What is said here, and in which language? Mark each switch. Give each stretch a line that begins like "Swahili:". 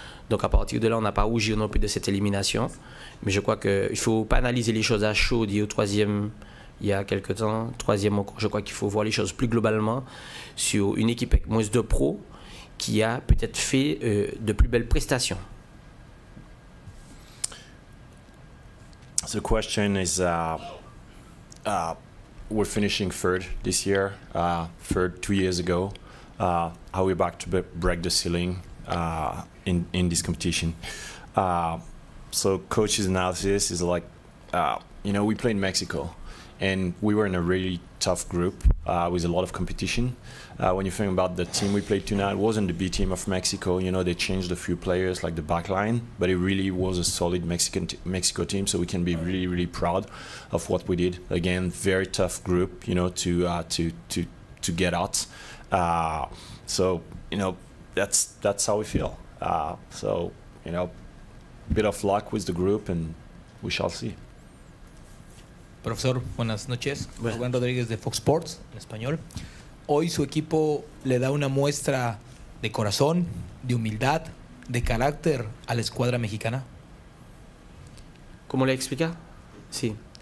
French: Donc à partir de là, on n'a pas rougi non plus de cette élimination. Mais je crois qu'il ne faut pas analyser les choses à chaud, dit au troisième. Il y a quelques temps, troisième encore, je crois qu'il faut voir les choses plus globalement sur une équipe avec moins de pros qui a peut-être fait de plus belles prestations.
English: So question is, we're finishing third this year, third 2 years ago. How are we back to break the ceiling in this competition? So coach's analysis is like, you know, we played Mexico, and we were in a really tough group with a lot of competition. When you think about the team we played tonight, it wasn't the B team of Mexico. You know, they changed a few players, like the back line, but it really was a solid Mexico team, so we can be really, really proud of what we did. Again, very tough group, you know, to get out. So, you know, that's how we feel. So, you know, bit of luck with the group, and we shall see.
Spanish: Profesor, buenas noches. Bueno. Rubén Rodríguez de Fox Sports, en español. Hoy su equipo le da una muestra de corazón, de humildad, de carácter a la escuadra mexicana. ¿Cómo le explica? Sí.